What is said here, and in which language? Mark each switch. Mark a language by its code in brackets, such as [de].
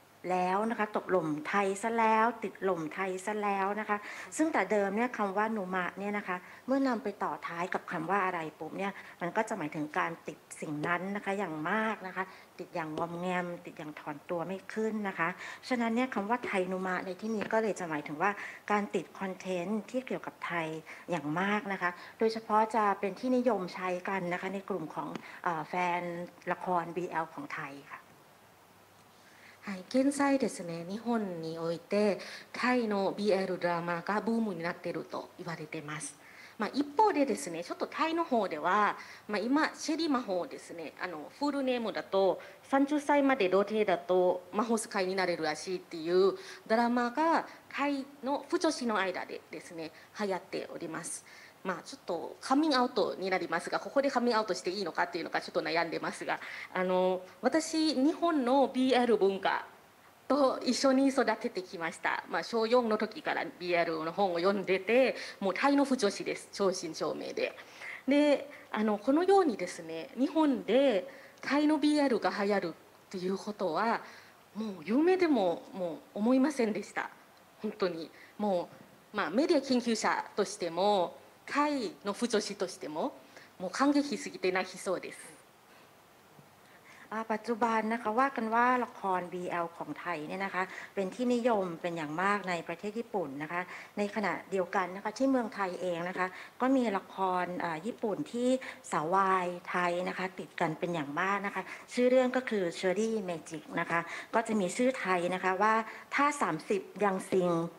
[th] แล้วนะคะตกหล่มไทยซะแล้วติดหล่มไทยซะแล้วนะคะซึ่งแต่เดิมเนี่ยคำว่านุมะเนี่ยนะคะเมื่อนำไปต่อท้ายกับคำว่าอะไรปุ๊บเนี่ยมันก็จะหมายถึงการติดสิ่งนั้นนะคะอย่างมากนะคะติดอย่างงอมแงมติดอย่างถอนตัวไม่ขึ้นนะคะฉะนั้นเนี่ยคำว่าไทยนุมะในที่นี้ก็เลยจะหมายถึงว่าการติดคอนเทนต์ที่เกี่ยวกับไทยอย่างมากนะคะโดยเฉพาะจะเป็นที่นิยมใช้กันนะคะในกลุ่มของแฟนละคร BL ของไทยค่ะ [ja] はい、現在ですね、日本においてタイの BL ドラマがブームになっていると言われてます。まあ、一方でですね、ちょっとタイの方では、まあ、今シェリー魔法ですね、あのフルネームだと30歳まで童貞だと魔法使いになれるらしいっていうドラマがタイの腐女子の間でですね、流行っております。まあ、ちょっとカミングアウトになりますがここでカミングアウトしていいのかっていうのかちょっと悩んでますがあの私日本の BL 文化と一緒に育ててきました、まあ、小4の時から BL の本を読んでてもうタイの腐女子です正真正銘でであのこのようにですね日本でタイの BL が流行るっていうことはもう夢でももう思いませんでした本当にもう、まあ、メディア研究者としてもタイの腐女子としてももう感激すぎて泣きそうです。 [th] ปัจจุบันนะคะว่ากันว่าละคร BL ของไทยเนี่ยนะคะเป็นที่นิยมเป็นอย่างมากในประเทศญี่ปุ่นนะคะในขณะเดียวกันนะคะที่เมืองไทยเองนะคะก็มีละครญี่ปุ่นที่สาวายไทยนะคะติดกันเป็นอย่างมากนะคะชื่อเรื่องก็คือ Cherry Magic นะคะก็จะมีชื่อไทยนะคะว่าถ้า30ยังซิง